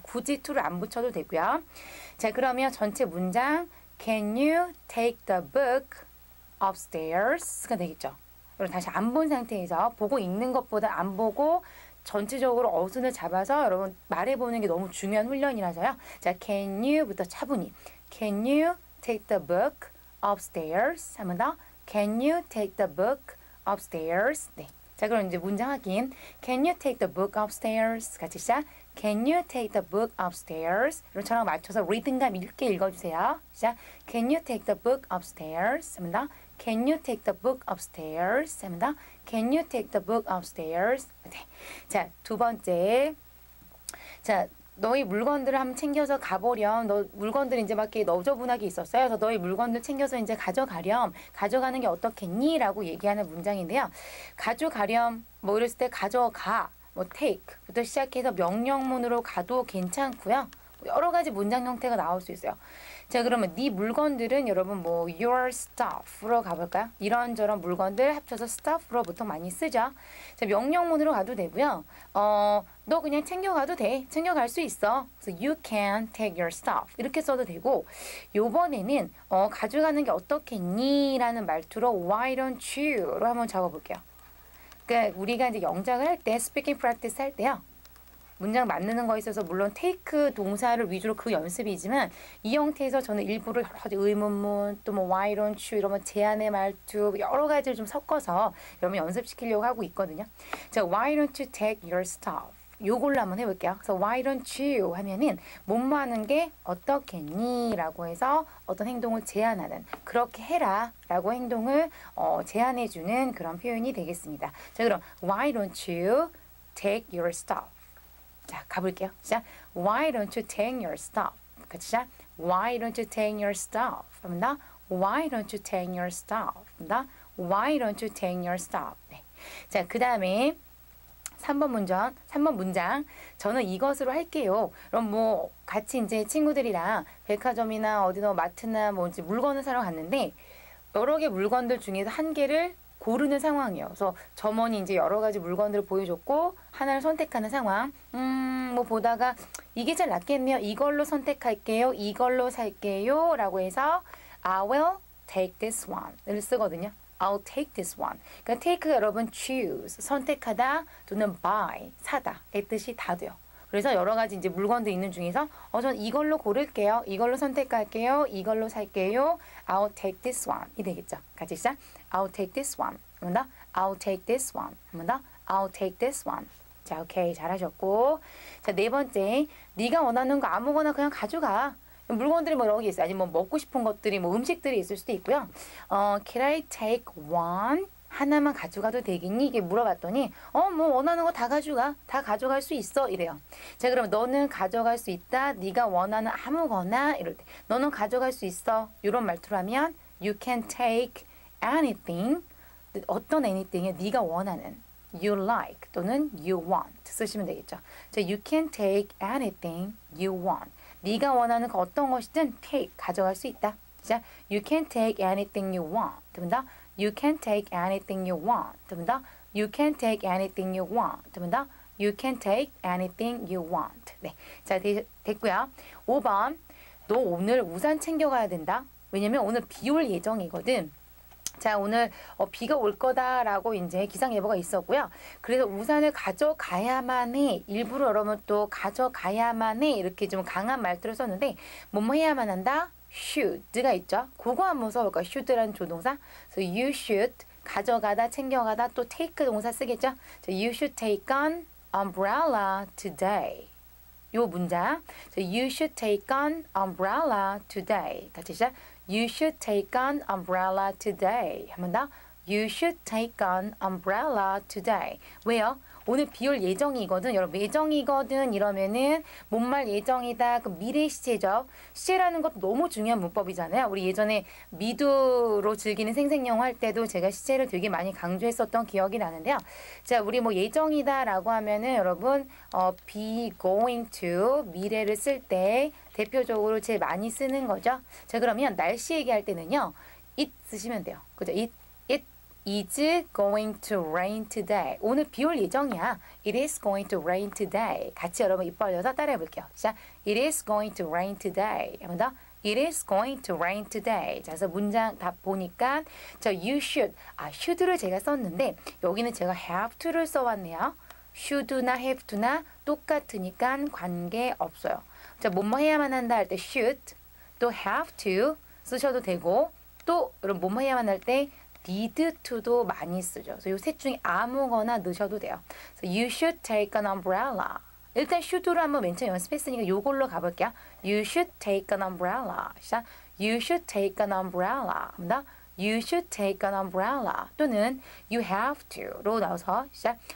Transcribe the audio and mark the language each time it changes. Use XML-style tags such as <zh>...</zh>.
<ko>그래서 굳이 to를 안 붙여도 되고요. 자, 그러면 전체 문장</ko> <en>Can you take the book upstairs?</en> <ko>가 되겠죠. 여러분 다시 안 본 상태에서 보고 읽는 것보다 안 보고 전체적으로 어순을 잡아서 여러분 말해보는 게 너무 중요한 훈련이라서요. 자,</ko> <en>can you부터</en> <ko>차분히</ko> <en>Can you take the book upstairs?</en> <ko>한 번 더</ko> <en>Can you take the book upstairs?</en> <ko>네. 자, 그럼 이제 문장 확인</ko> <en>Can you take the book upstairs?</en> <ko>같이 시작</ko> <en>Can you take the book upstairs?</en> <ko>이런 저랑 맞춰서 리듬감 있게 읽어주세요. 시작</ko> <en>Can you take the book upstairs?</en> <ko>한 번 더</ko> <en>Can you take the book upstairs?</en> <ko>한 번 더</ko> <en>Can you take the book upstairs?</en> <ko>네. 자, 두 번째 자, 너희 물건들을 한번 챙겨서 가보렴. 너 물건들 이제 밖에 너저분하게 있었어요. 그래서 너희 물건들 챙겨서 이제 가져가렴. 가져가는 게 어떻겠니? 라고 얘기하는 문장인데요. 가져가렴. 뭐 이랬을 때 가져가. 뭐 take부터 시작해서 명령문으로 가도 괜찮고요. 여러 가지 문장 형태가 나올 수 있어요. 자, 그러면 네 물건들은 여러분 뭐</ko> <en>your stuff</en> <ko>로 가볼까요? 이런저런 물건들 합쳐서 stuff로 보통 많이 쓰죠. 자, 명령문으로 가도 되고요. 너 그냥 챙겨가도 돼. 챙겨갈 수 있어.</ko> <en>So you can take your stuff.</en> <ko>이렇게 써도 되고 요번에는 가져가는 게 어떻겠니? 라는 말투로</ko> <en>why don't you?</en> <ko>로 한번 적어볼게요. 그러니까 우리가 이제 영작을 할 때,</ko> <en>speaking practice</en> <ko>할 때요. 문장 만드는 거에 있어서 물론 take 동사를 위주로 그 연습이지만 이 형태에서 저는 일부러 여러 가지 의문문, 또 뭐</ko> <en>why don't you</en> <ko>이러면 제안의 말투 여러 가지를 좀 섞어서 여러분 연습시키려고 하고 있거든요.</ko> <en>자, why don't you take your stuff?</en> <ko>요걸로 한번 해볼게요. 그래서 why don't you 하면은 뭐뭐 하는 게 어떻겠니? 라고 해서 어떤 행동을 제안하는 그렇게 해라 라고 행동을 제안해주는 그런 표현이 되겠습니다. 자, 그럼</ko> <en>why don't you take your stuff?</en> <ko>자, 가볼게요. 시작.</ko> <en>Why don't you take your stuff?</en> <ko>같이 시작.</ko> <en>Why don't you take your stuff?</en> <ko>나</ko> <en>Why don't you take your stuff?</en> <ko>나</ko> <en>Why don't you take your stuff?</en> <ko>네. 자, 그다음에 3번 문장. 저는 이것으로 할게요. 그럼 뭐 같이 이제 친구들이랑 백화점이나 어디서 마트나 뭐지 물건을 사러 갔는데 여러 개 물건들 중에서 한 개를 고르는 상황이에요. 그래서 점원이 이제 여러 가지 물건들을 보여줬고 하나를 선택하는 상황. 뭐 보다가 이게 제일 낫겠네요. 이걸로 선택할게요. 이걸로 살게요. 라고 해서</ko> <en>I will take this one</en> <ko>를 쓰거든요.</ko> <en>I'll take this one.</en> <ko>그러니까 take가 여러분 choose, 선택하다 또는 buy, 사다 의 뜻이 다 돼요. 그래서 여러 가지 이제 물건도 있는 중에서 전 이걸로 고를게요. 이걸로 선택할게요. 이걸로 살게요.</ko> <en>I'll take this one.</en> <ko>이 되겠죠. 같이 시작. I'll take this one. 한번 더. I'll take this one. 한번 더.</ko> <en>I'll take this one.</en> <ko>자, 오케이. 잘하셨고. 자, 네 번째. 네가 원하는 거 아무거나 그냥 가져가. 물건들이 뭐 여기 있어요. 아니면 뭐 먹고 싶은 것들이 뭐 음식들이 있을 수도 있고요.</ko> <en>Can I take one?</en> <ko>하나만 가져가도 되겠니? 이게 물어봤더니 뭐 원하는 거 다 가져가. 다 가져갈 수 있어. 이래요. 자, 그럼 너는 가져갈 수 있다. 네가 원하는 아무거나 이럴 때 너는 가져갈 수 있어. 이런 말투로 하면</ko> <en>You can take anything.</en> <ko>어떤 anything이야? 네가 원하는.</ko> <en>You like 또는 you want</en> <ko>쓰시면 되겠죠. 자,</ko> <en>You can take anything you want.</en> <ko>네가 원하는 거 어떤 것이든 take 가져갈 수 있다.</ko> <en>자, You can take anything you want.</en> <ko>됩니다.</ko> <en>You can take anything you want.</en> <ko>됩니다.</ko> <en>You can take anything you want.</en> <ko>됩니다.</ko> <en>You can take anything you want.</en> <ko>네. 자, 됐고요. 5번. 너 오늘 우산 챙겨가야 된다. 왜냐면 오늘 비 올 예정이거든. 자, 오늘 비가 올 거다라고 이제 기상예보가 있었고요. 그래서 우산을 가져가야만 해. 일부러 여러분 또 가져가야만 해. 이렇게 좀 강한 말투를 썼는데 뭐뭐 해야만 한다? should가 있죠. 그거 한번 써볼까요? should라는 조동사.</ko> <en>So you should</en> <ko>가져가다, 챙겨가다, 또 take 동사 쓰겠죠.</ko> <en>So you should take an umbrella today.</en> <ko>요 문장.</ko> <en>So you should take an umbrella today.</en> <ko>같이 시작.</ko> <en>You should take an umbrella today.</en> <ko>한번 더.</ko> <en>You should take an umbrella today.</en> <ko>왜요? 오늘 비 올 예정이거든. 여러분 예정이거든 이러면은 뭔 말 예정이다. 그 미래 시제죠. 시제라는 것도 너무 중요한 문법이잖아요. 우리 예전에 미두로 즐기는 생생영화 할 때도 제가 시제를 되게 많이 강조했었던 기억이 나는데요. 자, 우리 뭐 예정이다 라고 하면은 여러분</ko> <en>be going to</en> <ko>미래를 쓸 때 대표적으로 제일 많이 쓰는 거죠. 자, 그러면 날씨 얘기할 때는요.</ko> <en>it</en> <ko>쓰시면 돼요. 그죠?</ko> <en>Is going to rain today.</en> <ko>오늘 비 올 예정이야.</ko> <en>It is going to rain today.</en> <ko>같이 여러분 입 벌려서 따라해 볼게요.</ko> <en>자, It is going to rain today.</en> <ko>한번 더.</ko> <en>It is going to rain today.</en> <ko>자, 그래서 문장 다 보니까 자,</ko> <en>You should.</en> <ko>아, should를 제가 썼는데 여기는 제가 have to를 써왔네요. should나 have to나 똑같으니까 관계없어요. 자, 뭐뭐 해야만 한다 할 때 should 또 have to 쓰셔도 되고 또 여러분 뭐뭐 해야만 할 때 need to도 많이 쓰죠. 그래서 이 셋 중에 아무거나 넣으셔도 돼요.</ko> <en>So you should take an umbrella.</en> <ko>일단 should로 한번 맨 처음 연습했으니까 이걸로 가볼게요.</ko> <en>You should take an umbrella.</en> <ko>시작.</ko> <en>You should take an umbrella.</en> <ko>합니다.</ko> <en>You should take an umbrella.</en> <ko>또는</ko> <en>you have to</en> <ko>로 넣어서 시작.</ko>